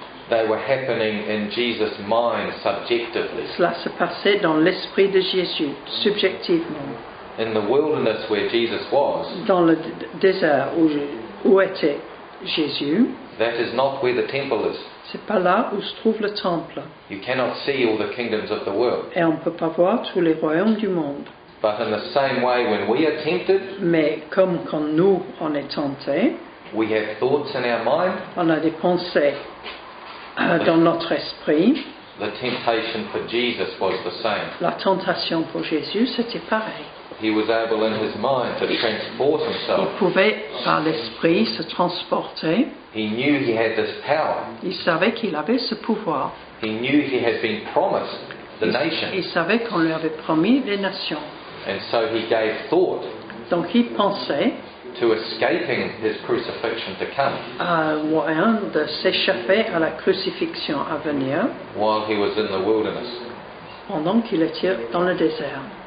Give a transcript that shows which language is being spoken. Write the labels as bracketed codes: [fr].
[en] They were happening in Jesus' mind subjectively. [fr] Cela se passait dans l'esprit de Jésus subjectivement. [en] In the wilderness where Jesus was. [fr] Dans le désert où était Jésus. [en] That is not where the temple is. [fr] C'est pas là où se trouve le temple. [en] You cannot see all the kingdoms of the world. [fr] Et on peut pas voir tous les royaumes du monde. [en] But in the same way, when we are tempted, [fr] mais comme quand nous on est tenté, [en] we have thoughts in our mind. [fr] On a des pensées dans notre esprit. [en] The temptation for Jesus was the same. [fr] La tentation pour Jésus c'était pareil. [en] He was able in his mind to transport himself. [fr] Il pouvait par l'esprit se transporter. [en] He knew he had this power. [fr] Il savait qu'il avait ce pouvoir. [en] He knew he had been promised the nation. [fr] Il savait qu'on lui avait promis les nations. [en] And so he gave thought. [fr] Donc il pensait. [en] To escaping his crucifixion to come. [fr] À moyen de s'échapper à la crucifixion à venir. [en] While he was in the wilderness. [fr] Pendant qu'il était dans le désert.